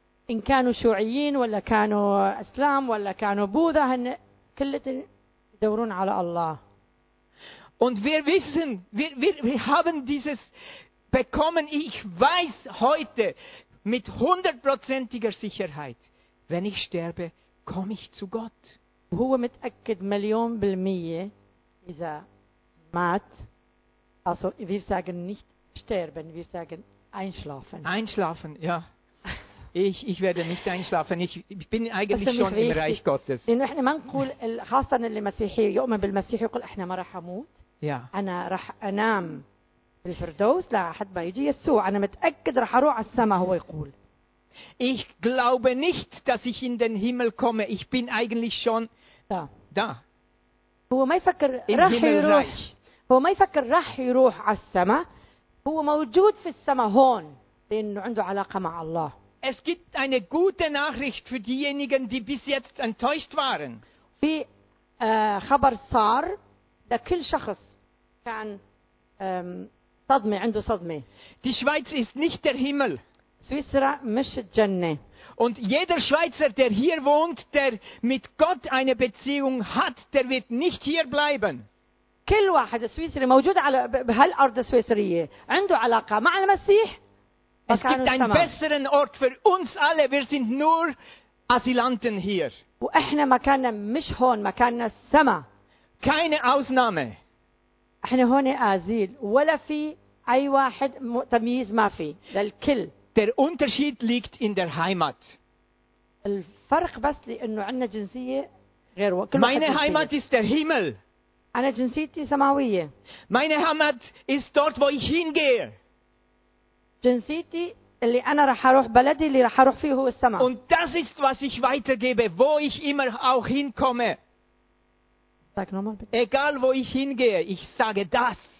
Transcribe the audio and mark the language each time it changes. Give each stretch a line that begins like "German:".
Arabic: إن كانوا شيوعيين ولا كانوا اسلام ولا كانوا بوذا هن كلتن يدورون على الله.
German: Und wir wissen, wir haben dieses bekommen, ich weiß heute mit hundertprozentiger Sicherheit, wenn ich sterbe, komme ich zu Gott.
Arabic: هو متأكد مليون بالمية إذا مات.
German: Also wir sagen nicht sterben, wir sagen einschlafen. Einschlafen, ja. Ich werde nicht einschlafen. Ich bin eigentlich schon im Reich Gottes.
Arabic: لأن إحنا ما نقول خاصة المسيحي يؤمن بالمسيح يقول إحنا ما راح أموت.
German: Ja.
Arabic: أنا راح أنام بالفردوس لا حد ما يجي يسوع. أنا متأكد راح أروح على السماء هو يقول.
German: Ich glaube nicht, dass ich in den Himmel komme. Ich bin eigentlich schon da. Da.
Arabic: هو ما يفكر راح يروح. هو ما يفكر راح يروح على السماء. هو موجود في السماء هون لأنه عنده علاقة مع الله.
German: Es gibt eine gute Nachricht für diejenigen, die bis jetzt enttäuscht waren.
Arabic: في خبر صار لكل شخص كان صدمة عنده صدمة.
German: Die Schweiz ist nicht der Himmel.
Arabic: سويسرا مش الجنة.
German: Und jeder Schweizer, der hier wohnt, der mit Gott eine Beziehung hat, der wird nicht hier bleiben.
Arabic: كل واحد سويسري موجود على بهالأرض السويسرية عنده علاقة مع المسيح.
German: Es gibt einen besseren Ort für uns alle. Wir sind nur Asylanten hier.
Arabic: واحنا مكاننا مش هون مكاننا السماء.
German: Keine Ausnahme.
Arabic: احنا هون آزيل ولا في أي واحد تمييز ما في للكل.
German: Der Unterschied liegt in der Heimat.
Arabic: الفرق بس لأنه عنا جنسية غير وكل.
German: Meine Heimat ist der Himmel.
Arabic: أنا جنسيتي سماوية.
German: Meine Heimat ist dort, wo ich hingehe.
Arabic: جنسيتي اللي أنا رح أروح بلدي اللي رح أروح فيه هو السماء.
German: Und das ist, was ich weitergebe, wo ich immer auch hinkomme. Sag nochmal bitte. Egal, wo ich hingehe, ich sage das.